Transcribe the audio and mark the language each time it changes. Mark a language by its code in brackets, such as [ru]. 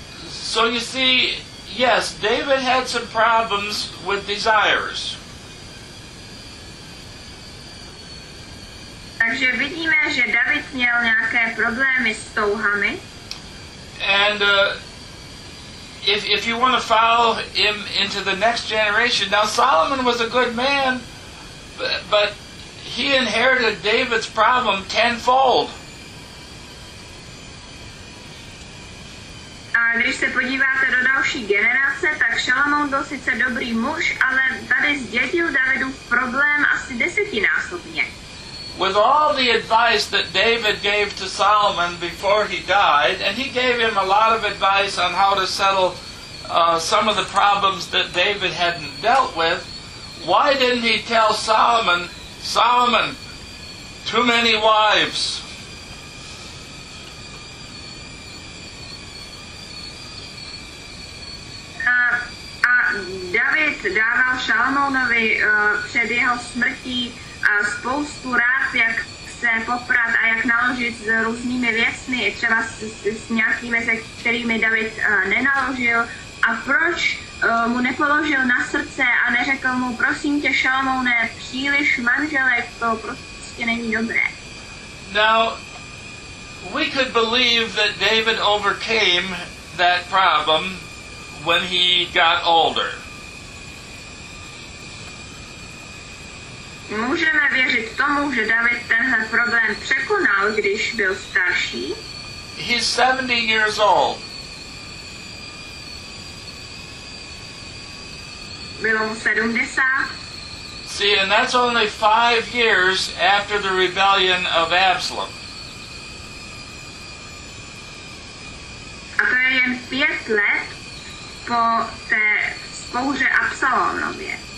[en] So you see, yes, David had some problems with desires. [cs] Takže vidíme, že David měl nějaké problémy s touhami. [en] And If you want to follow him into the next generation, now Solomon was a good man, but he inherited David's problem tenfold. [cs] A když se podíváte do další generace, tak Šalamoun byl sice dobrý muž, ale tady zdědil Davidův problém asi desetinásobně. [en] With all the advice that David gave to Solomon before he died, and he gave him a lot of advice on how to settle some of the problems that David hadn't dealt with, why didn't he tell Solomon, too many wives. [cs] David dával Šalamónovi před jeho smrtí spoustu rád, jak se poprat a jak naložit s různými věcmi, třeba s nějakými, se kterými David nenaložil. A proč mu nepoložil na srdce a neřekl mu, prosím tě, Šalamóne, příliš manželek, to prostě není dobré. [en] Now, we could believe that David overcame that problem when he got older. [cs] Můžeme věřit tomu, že David tenhle problém překonal, když byl starší. [en] He's 70 years old. [cs] Bylo mu 70. [en] See, and that's only 5 years after the rebellion of Absalom. [cs] A to je jen 5 let po té spouře Absalomově.